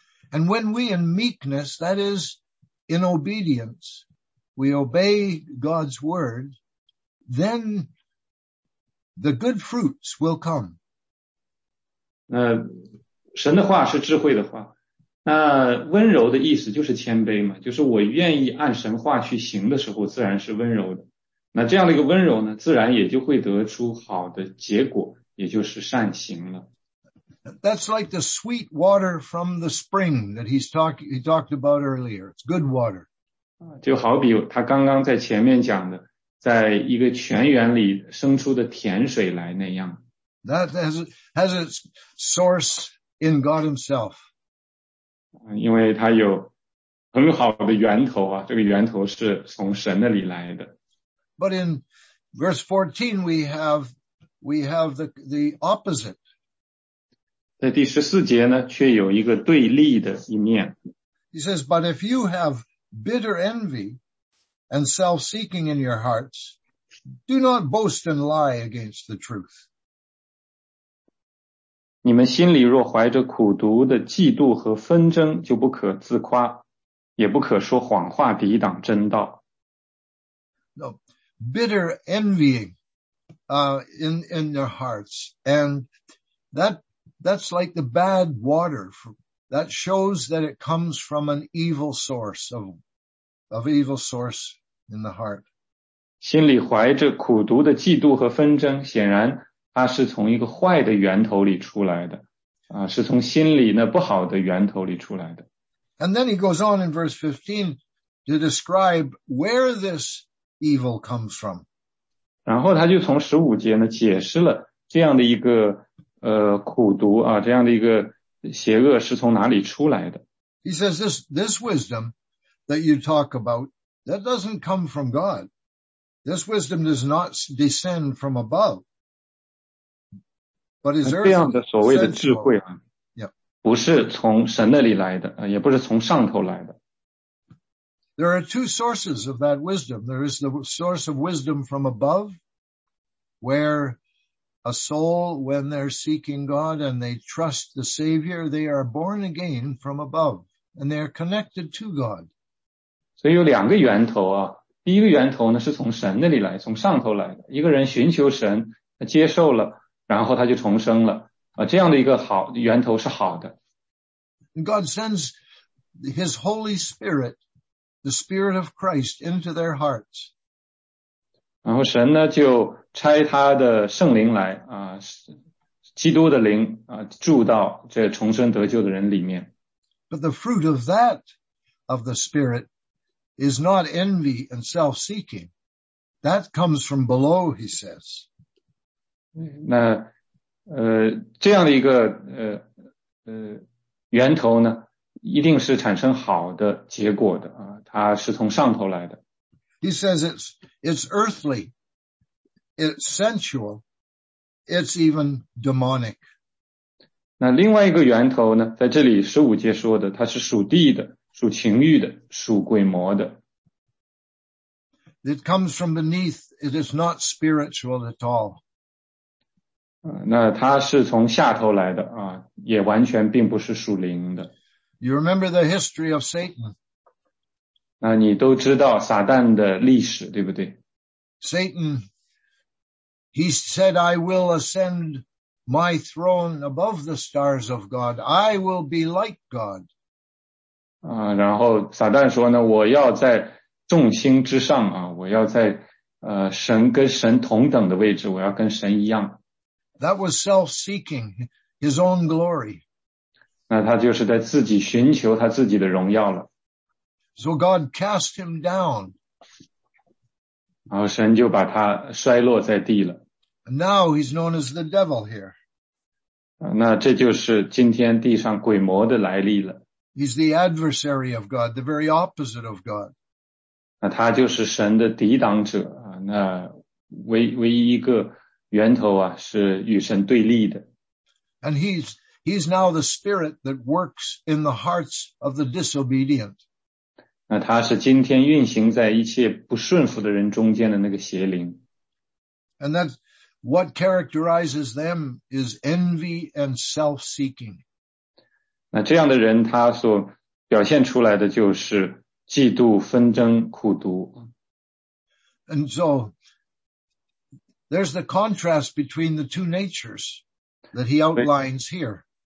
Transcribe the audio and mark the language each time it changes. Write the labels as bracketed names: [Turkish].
[English] And when we in meekness, that is,In obedience, we obey God's word, then the good fruits will come. [Chinese] 神的话是智慧的话。那温柔的意思就是谦卑嘛，就是我愿意按神话去行的时候自然是温柔的。那这样的一个温柔呢，自然也就会得出好的结果，也就是善行了。 [English] That's like the sweet water from the spring that he talked about earlier. It's good water. [Chinese] 就好比他刚刚在前面讲的，在一个泉源里生出的甜水来那样。 [English] That has its source in God himself. [Chinese] 因为它有很好的源头啊，这个源头是从神那里来的。 [English] But in verse 14 we have the opposite. [Chinese] 在第十四节呢，却有一个对立的一面。 [English] He says, "But if you have bitter envy and self-seeking in your hearts, do not boast and lie against the truth." [Chinese] 你们心里若怀着苦毒的嫉妒和纷争，就不可自夸，也不可说谎话抵挡真道。 [English] No, bitter envying, in their hearts, and that's like the bad water. That shows that it comes from an evil source of evil source in the heart. [Chinese] 心里怀着苦毒的嫉妒和纷争，显然它是从一个坏的源头里出来的，是从心里那不好的源头里出来的。 [English] And then he goes on in verse 15 to describe where this evil comes from. [Chinese] 然后他就从15节呢解释了这样的一个苦毒啊，这样的一个邪恶是从哪里出来的。 [English] He says this wisdom that you talk about, that doesn't come from God. This wisdom does not descend from above. But is earthly. [Chinese] 这样的所谓的智慧啊、 yeah. 不是从神那里来的，也不是从上头来的。 [English] There are two sources of that wisdom. There is the source of wisdom from above, where A soul, when they're seeking God and they trust the Savior, they are born again from above and they are connected to God. [Chinese] 所以有两个源头啊。第一个源头呢是从神那里来，从上头来的。一个人寻求神，他接受了，然后他就重生了。这样的一个好源头是好的。 [English] God sends His Holy Spirit, the Spirit of Christ, into their hearts. [Chinese] 然后神呢就拆他的圣灵来啊，基督的灵啊，住到这重生得救的人里面。 [English] But the fruit of that of the Spirit is not envy and self-seeking. That comes from below, he says. [Chinese] 那这样的一个源头呢，一定是产生好的结果的啊，它是从上头来的。 [English] He says it's earthly, it's sensual, it's even demonic. [Chinese] 那另外一个源头呢，在这里十五节说的，它是属地的，属情欲的，属鬼魔的。 [English] It comes from beneath, it is not spiritual at all. [Chinese] 那它是从下头来的啊，也完全并不是属灵的。 [English] You remember the history of Satan? [Chinese] 那你都知道撒旦的历史，对不对？ [English] Satan, he said, I will ascend my throne above the stars of God. I will be like God. [Chinese] 然后撒旦说呢，我要在众星之上啊，我要在神跟神同等的位置，我要跟神一样。 [English] That was self-seeking, his own glory. [Chinese] 那他就是在自己寻求他自己的荣耀了。 [English] So God cast him down. [Chinese] 然后神就把他摔落在地了。 [English] Now he's known as the devil here. [Chinese] 那这就是今天地上鬼魔的来历了。 [English] He's the adversary of God, the very opposite of God. [Chinese] 那他就是神的抵挡者，那唯一一个源头啊，是与神对立的。 [English] And he's now the spirit that works in the hearts of the disobedient. [Chinese] 那他是今天运行在一切不顺服的人中间的那个邪灵。 [English] And that what characterizes them is envy and self-seeking. [Chinese] 那这样的人他所表现出来的就是嫉妒、纷争、苦毒。 [English] And so,there's the contrast between the two natures that he outlines here.